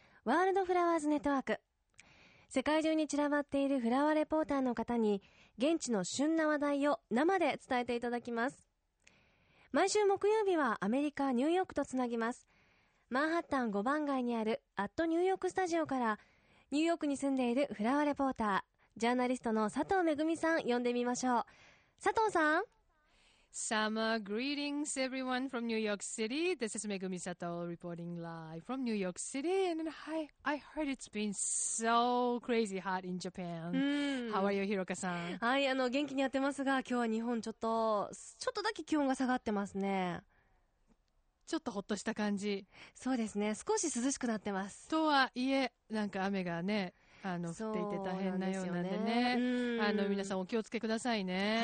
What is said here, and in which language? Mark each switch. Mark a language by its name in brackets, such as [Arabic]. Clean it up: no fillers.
[Japanese] ワールドフラワーズネットワーク。世界中に散らばっているフラワーレポーターの方に現地の旬な話題を生で伝えていただきます。毎週木曜日はアメリカ・ニューヨークとつなぎます。マンハッタン5番街にあるアットニューヨークスタジオからニューヨークに住んでいるフラワーレポータージャーナリストの佐藤めぐみさん呼んでみましょう。佐藤さん。 [English] Summer greetings everyone from New York City. This is Megumi Sato reporting live from New York City. And I heard it's been so crazy hot in Japan. How are you, Hiroka-san? [Japanese] はい、元気にやってますが、今日は日本ちょっとだけ気温が下がってますね。ちょっとほっとした感じ。そうですね、少し涼しくなってます。とはいえ、なんか雨がね、降っていて大変なようなんでね、皆さんお気をつけくださいね。